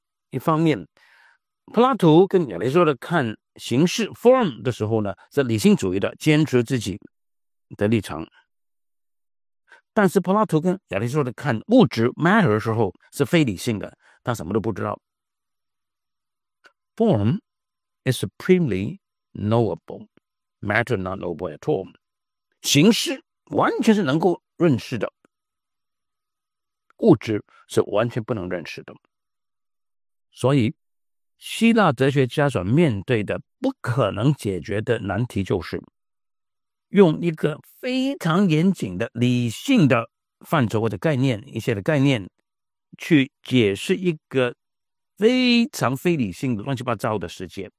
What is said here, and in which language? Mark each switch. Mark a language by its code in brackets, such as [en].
[zh] 一方面柏拉图跟亚里士多德看形式 form 的时候呢，是理性主义的，坚持自己的立场。但是柏拉图跟亚里士多德看物质 matter 的时候是非理性的，他什么都不知道。 [en] Form is supremely knowable, matter not knowable at all. [zh] 形式完全是能够认识的，物质是完全不能认识的。所以希腊哲学家所面对的不可能解决的难题，就是用一个非常严谨的理性的范畴或者概念，一些的概念去解释一个非常非理性的乱七八糟的世界。